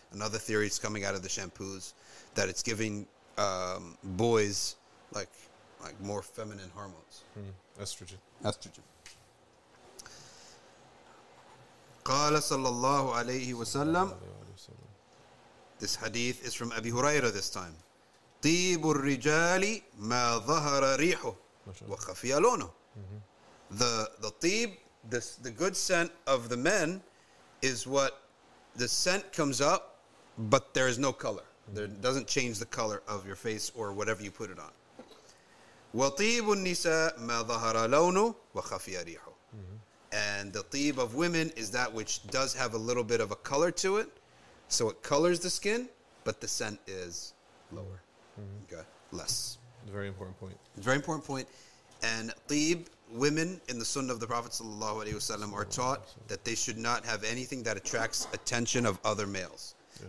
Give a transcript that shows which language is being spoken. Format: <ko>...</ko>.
<en>Another theory is coming out of the shampoos, that it's giving boys like more feminine hormones. Estrogen.</en> <ar>Qala sallallahu alayhi wa sallam.</ar> <en>This hadith is from Abi Huraira this time.</en> <ar>طيب الرجال ما ظهر ريحه وخفي لونه.</ar> <en>The طيب, the good scent of the men, is what the scent comes up, but there is no color. There doesn't change the color of your face or whatever you put it on.</en> <ar>وطيب النساء ما ظهر لونه وخفي ريحه.</ar> <en>And the طيب of women is that which does have a little bit of a color to it, so it colors the skin, but the scent is lower. Okay. Less. Very important point. And Tib women in the Sunnah of the Prophet sallallahu alaihi wasallam are taught that they should not have anything that attracts attention of other males. Yeah.</en>